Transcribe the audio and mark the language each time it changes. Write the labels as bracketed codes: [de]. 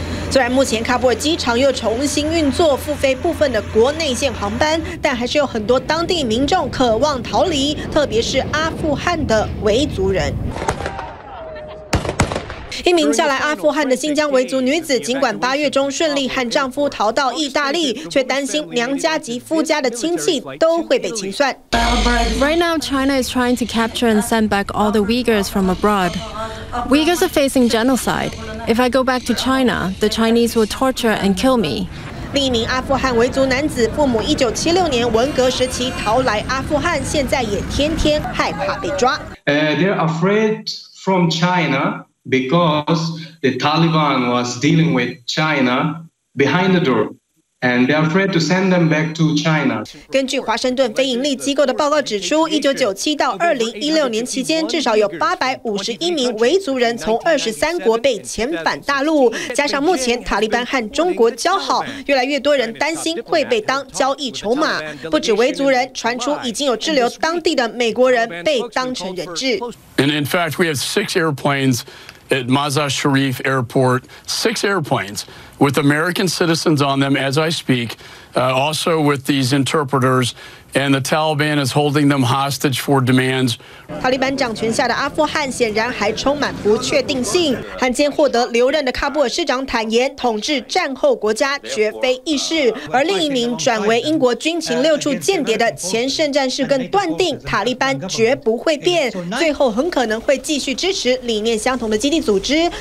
[zh] 虽然目前喀布尔机场又重新运作，复飞部分的国内线航班，但还是有很多当地民众渴望逃离，特别是阿富汗的维族人。一名嫁来阿富汗的新疆维族女子，尽管八月中顺利和丈夫逃到意大利，却担心娘家及夫家的亲戚都会被清算。 [en] Right now, China is trying to capture and send back all the Uyghurs from abroad. Uyghurs are facing genocide. If I go back to China, the Chinese will torture and kill me. [zh] 另一名阿富汗维族男子，父母1976年文革时期逃来阿富汗，现在也天天害怕被抓。 [en] They're afraid from China because the Taliban was dealing with China behind the door. And they are afraid to send them back to China. [zh] 根据华盛顿非营利机构的报告指出，1997到2016年期间，至少有851名维族人从23国被遣返大陆。加上目前塔利班和中国交好，越来越多人担心会被当交易筹码。不止维族人，传出已经有滞留当地的美国人被当成人质。 [en] And in fact, we have six airplanes. At Mazar Sharif Airport, six airplanes with American citizens on them as I speak, also with these interpreters. And the Taliban is holding them hostage for demands. [zh] 塔利班掌权下的阿富汗显然还充满不确定性。汉奸获得留任的喀布尔市长坦言，统治战后国家绝非易事。而另一名转为英国军情六处间谍的前圣战士更断定，塔利班绝不会变，最后很可能会继续支持理念相同的基地组织。